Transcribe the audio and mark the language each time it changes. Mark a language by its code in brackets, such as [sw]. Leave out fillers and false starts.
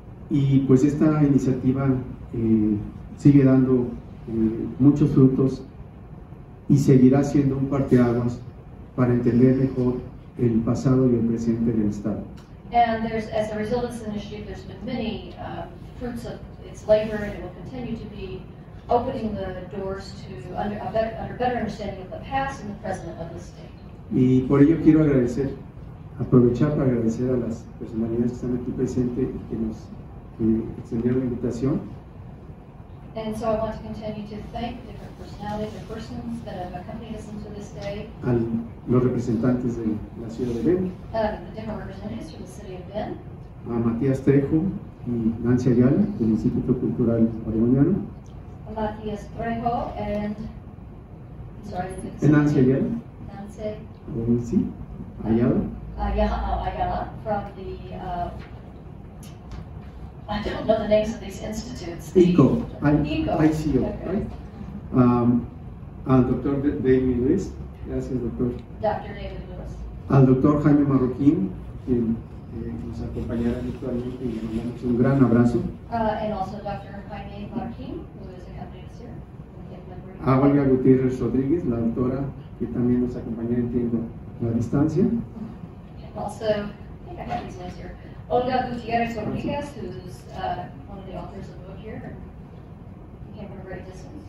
[es] Y pues esta iniciativa sigue dando muchos frutos y seguirá siendo un parteaguas para entender mejor el pasado y el presente del estado. [en] And there's, as a result of this initiative, there's been many fruits of its labor, and it will continue to be opening the doors to a better understanding of the past and the present of the state. [es] Y por ello quiero agradecer, aprovechar para agradecer a las personalidades que están aquí presentes y que nos extendieron la invitación. [en] And so I want to continue to thank different personalities, the persons that have accompanied us into this day. [es] Al, los representantes de la ciudad de Ben. [en] The different representatives from the city of Ben. [es] A Matías Trejo y Nancy Ayala del Instituto Cultural Oregoniano. [en] Matías Trejo and Nancy Ayala. Ayala. Ayala from the. I don't know the names of these institutes. ICO, okay. Right? [es] Al doctor David Lewis, gracias doctor. [en] Dr. David Lewis. [es] Al doctor Jaime Marroquín, quien nos acompañará virtualmente y le mandamos un gran abrazo. [en] And also Dr. Jaime Marroquín, who is accompanying us here. [es] A Olga Gutiérrez Rodríguez, la doctora, que también nos acompañará, entiendo, la distancia. [en] Also, I think I have these names here. Olga Gutierrez Rodriguez, who's one of the authors of the book here, and came from a great distance.